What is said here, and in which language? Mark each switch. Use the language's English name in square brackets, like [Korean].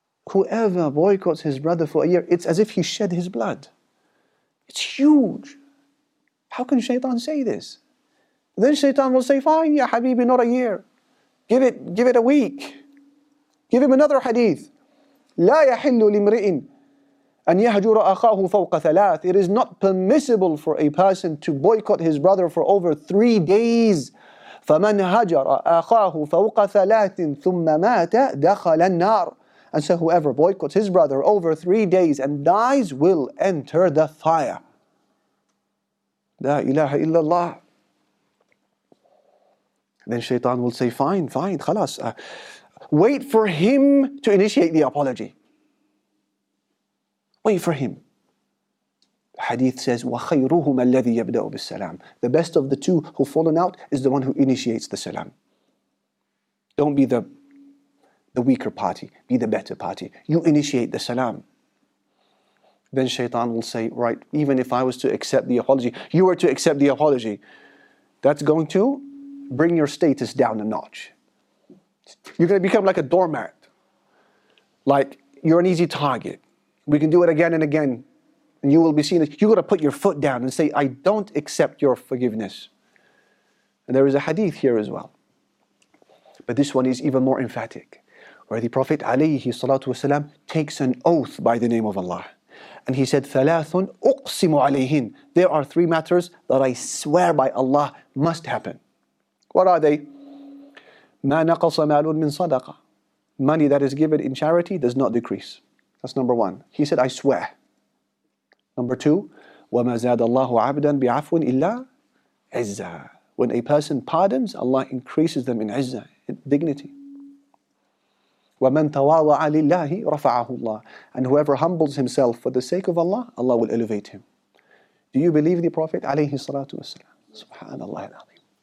[English] Whoever boycotts his brother for a year, it's as if he shed his blood. It's huge. How can shaitan say this? Then shaitan will say, fine, ya Habibi, not a year. Give it a week. Give him another hadith. [Arabic] لا يحل لمرئن أن يهجر أخاه فوق ثلاث. [English] It is not permissible for a person to boycott his brother for over 3 days. [Arabic] فَمَنْ هَجَرَ أَخَاهُ فَوْقَ ثَلَاثٍ ثُمَّ مَاتَ دَخَلَ النَّارِ. [English] And so whoever boycotts his brother over 3 days and dies will enter the fire. [Arabic] لا إله إلا الله. [English] Then shaitan will say, fine, خلاص. Wait for him to initiate the apology. Wait for him. Hadith says, [Arabic] وَخَيْرُهُمَ الَّذِي يَبْدَأُ بِالسَّلَامِ. [English] The best of the two who've fallen out is the one who initiates the salam. Don't be the weaker party, be the better party. You initiate the salam. Then shaitan will say, right, even if I was to accept the apology, you were to accept the apology, that's going to bring your status down a notch. You're going to become like a doormat. Like, you're an easy target. We can do it again and again. And you will be seen as, you got to put your foot down and say, I don't accept your forgiveness. And there is a hadith here as well. But this one is even more emphatic, where the Prophet alayhi salatu wasalam takes an oath by the name of Allah. And he said, [Arabic] ثَلَاثٌ أُقْسِمُ عَلَيْهِنْ. [English] There are three matters that I swear by Allah must happen. What are they? [Arabic] مَا نَقَصَ مَالٌ مِّن صَدَقَةٍ. [English] Money that is given in charity does not decrease. That's number one. He said, I swear. Number two, [Arabic] وَمَا زَادَ اللَّهُ عَبْدًا بِعَفْوٍ إِلَّا عِزَّةٍ. [English] When a person pardons, Allah increases them in izzah, in dignity. [Arabic] وَمَنْ تَوَاضَعَ لِلَّهِ رَفَعَهُ اللَّهِ. [English] And whoever humbles himself for the sake of Allah, Allah will elevate him. Do you believe the Prophet alayhi salatu wasalam? Subhanallah al-Azim.